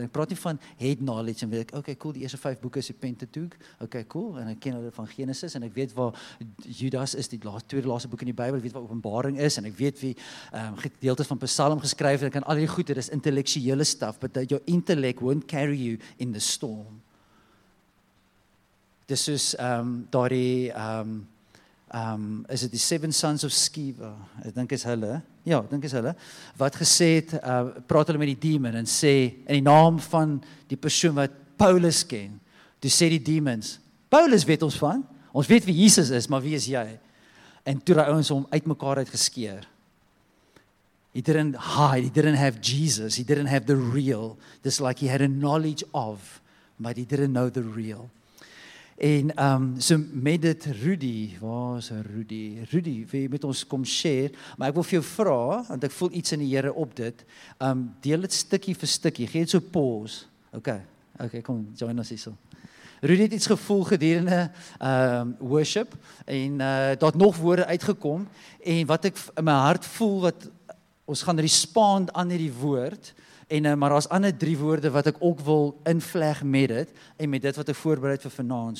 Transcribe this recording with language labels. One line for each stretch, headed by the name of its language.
Afrikaans: En ek praat nie van
English: head knowledge,
Afrikaans: en weet ek, okay, cool, die eerste 5 boeken is die Pentateuch, okay, cool, en ek ken hulle van Genesis, en ek weet waar Judas is, die tweede laaste boek in die Bijbel, ek weet wat Openbaring is, en ek weet wie gedeeltes van Psalm geskryf, en ek kan al die goede, dis intellectuele stuff,
English: but that your intellect won't carry you in the storm.
Afrikaans: Dis is
English: is it the 7 sons of Sceva?
Afrikaans: Ek dink is hulle, wat gesê het, praat hulle met die demon en sê, in die naam van die persoon wat Paulus ken, toe sê die demons, Paulus weet ons van, ons weet wie Jesus is, maar wie is jy? En toe die ouens hom uit mekaar uit geskeer.
English: He didn't hide, he didn't have Jesus, he didn't have the real, just like he had a knowledge of, but he didn't know the real.
Afrikaans: En so met dit Rudy, waar is Rudy? Rudy, wil jy met ons kom share? Maar ek wil vir jou vra, want ek voel iets in die Here op dit. Deel dit stukkie vir stukkie, gee dit so pause. Okay, kom, join ons hierso. Rudy het iets gevoel gedurende worship, en daar het nog woorde uitgekom, en wat ek in my hart voel, wat ons gaan respond aan hierdie woord, maar daar's ander 3 woorde wat ek ook wil invleg met dit en met dit wat ek voorberei vir vanaand.